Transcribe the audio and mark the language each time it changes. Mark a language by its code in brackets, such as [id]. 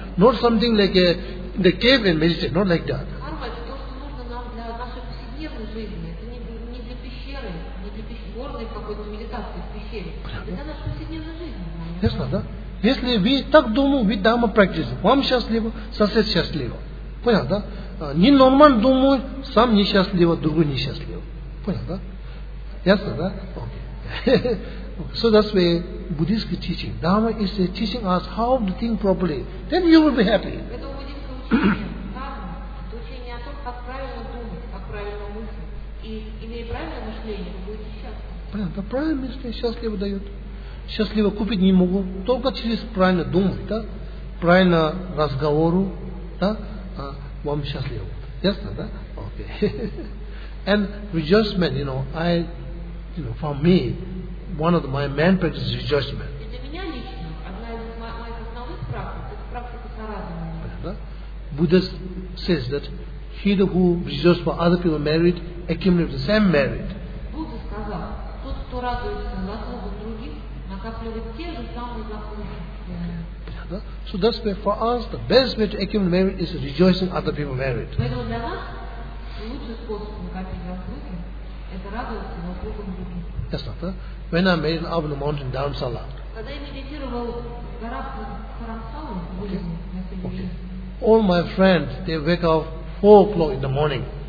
[en] Not something like a the cave and meditation, not like that. [ru] Карма это то, что нужно нам для нашей повседневной жизни. Это не для пещеры, не для горной какой-то медитации в пещере. Понятно? Это наша повседневная жизнь. Ясно, да? Если вы так думаете, вы дама практики. Вам счастливо, сосед счастливо. Понял, да? Не нормально думаю, сам несчастливо, другой несчастливо. Понял, да? Ясно, да? [en] Okay. So that's why Buddhist teaching. Dharma is teaching us how to think properly. Then you will be happy. [ru] Это буддийское учение. Дхарма – это учение о том, как правильно думать, как правильно мыслить. И имея правильное мышление, вы будете счастливы. Понял, да? Правильное мышление счастливо дает. Счастливо купить не могу. Только через правильно думать, да? Правильно разговору, да? Вам счастливо. Ясно, да? Okay. [en] And rejoicement, you know, I, you know, for me, one of my main practices is rejoicement. [ru] И для меня лично, одна из моих основных практик, это практика сорадования. [en] Buddha says that he who rejoices for other people's merit accumulates the same merit. [ru] Buddha сказал, тот, кто радуется за заслуги других, накапливает те же самые заслуги. [en] Yeah. Yeah. So that's why for us the best way to accumulate merit is rejoicing other people's merit. [ru] Поэтому для вас лучший способ накопить заслуги это радоваться заслугам других. [en] That's not that. When I made up the mountain down Salah. Okay. All my friends, they wake up 4 o'clock in the morning.